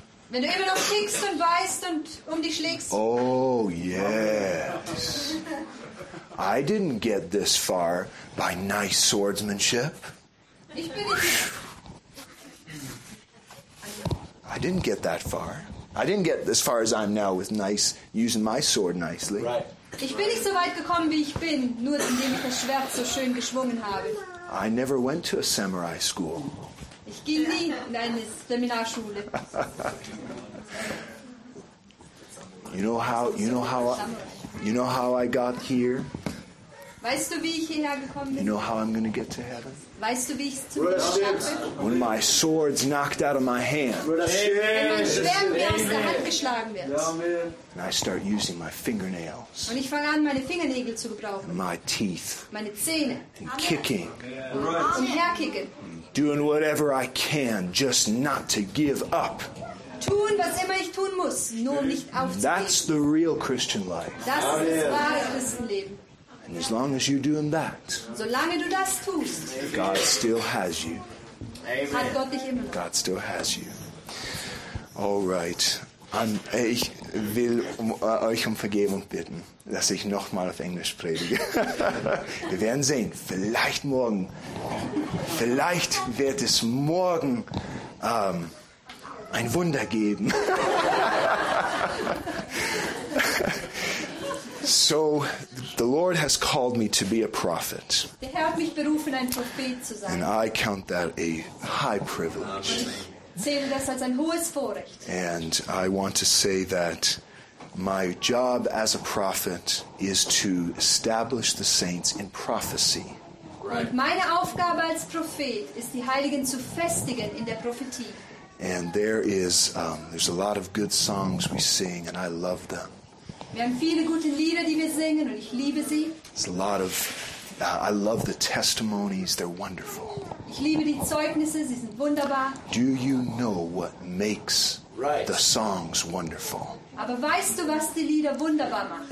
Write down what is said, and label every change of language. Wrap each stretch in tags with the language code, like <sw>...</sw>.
<de>Wenn du immer noch kickst und beißt und um dich schlägst.</de> <en>Oh, yes. I didn't get this far by nice swordsmanship.</en> <de>Ich bin nicht.</de> <en>I didn't get that far. I didn't get as far as I'm now with nice, using my sword nicely. Right.</en> <de>Ich bin nicht so weit gekommen, wie ich bin, nur indem ich das Schwert so schön geschwungen habe.</de> <en>I never went to a samurai school.</en> <de>Ich gehe nie in eine Seminarschule.</de> <en>You know how I got here?</en> <de>Weißt du, wie ich hierher gekommen bin?</de> <en>You know how I'm going to get to heaven?</en> <de>Weißt du, wie ich zu Himmel schaffe?</de> <en>When my sword's knocked out of my hand.</en> <de>Wenn mein Schwert mir aus der Hand geschlagen wird.</de> <en>Amen. And I start using my fingernails.</en> <de>Und ich fange an, meine Fingernägel zu gebrauchen.</de> <en>My teeth.</en> <de>Meine Zähne.</de> <en>And kicking.</en> <de>Und herkicken.</de> <en>Doing whatever I can just not to give up.</en> <de>Tun, was immer ich tun muss, nur um nicht aufzugeben.</de> <en>That's the real Christian life.</en> <de>Das ist das wahre Christenleben.</de> <en>And as long as you're doing that,</en> <de>solange du das tust,</de> <en>God still has you. Amen.</en> <de>Hat Gott dich immer noch.</de> <en>God still has you. All right.</en> <de>Ich will euch um Vergebung bitten, dass ich nochmal auf Englisch predige. Wir werden sehen. Vielleicht wird es morgen ein Wunder geben.</de> <en>So, the Lord has called me to be a prophet.</en> <de>Der Herr hat mich berufen, ein Prophet zu sein.</de> <en>And I count that a high privilege.</en> <de>Sehe das als ein hohes Vorrecht.</de> <en>And I want to say that my job as a prophet is to establish the saints in prophecy. Right.</en> <de>Und meine Aufgabe als Prophet ist, die Heiligen zu festigen in der Prophetie.</de> <en>And there's a lot of good songs we sing, and I love them.</en> <de>Wir haben viele gute Lieder, die wir singen, und ich liebe sie.</de> <en>It's a lot of, I love the testimonies. They're wonderful.</en> <de>Ich liebe die Zeugnisse. Sie sind wunderbar.</de> <en>Do you know what makes the songs wonderful?</en> <de>Aber weißt du, was die Lieder wunderbar macht?</de>